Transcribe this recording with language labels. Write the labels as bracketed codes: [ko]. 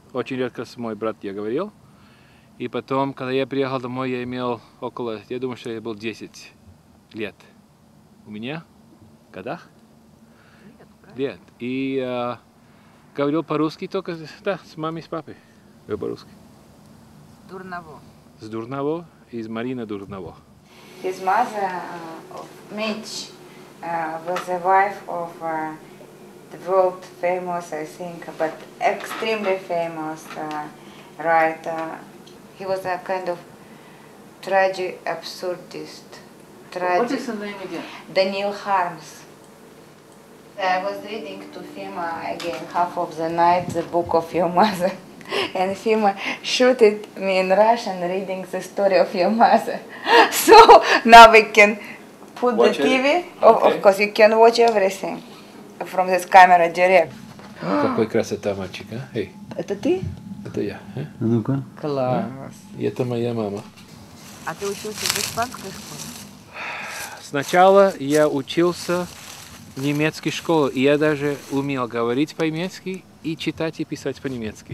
[ru] Очень редко с мой брат я говорил. И потом, когда я приехал домой, я имел около, я думаю, что я был 10 лет. У меня годах. Нет. И говорил по-русски только, да, с мамой, с папой. Говорил по-русски. С Дурново. С Дурново, из Марина Дурново. [en] His mother, Mitch, was a wife of the world famous, I think, but extremely famous writer. He was a kind of tragic absurdist. What is the name again? Daniel Harms. I was reading to Fima again half of the night the book of your mother, and Fima shooted me in Russian reading the story of your mother. So now we can put watch the TV. Okay. Of course, you can watch everything from this camera direct. [ru] Какой красота, мальчик, а? Эй. Это ты? Это я. А ну-ка. Класс. И это моя мама. А ты учился в испанской школе? Сначала я учился в немецкой школе, и я даже умел говорить по-немецки и читать и писать по-немецки.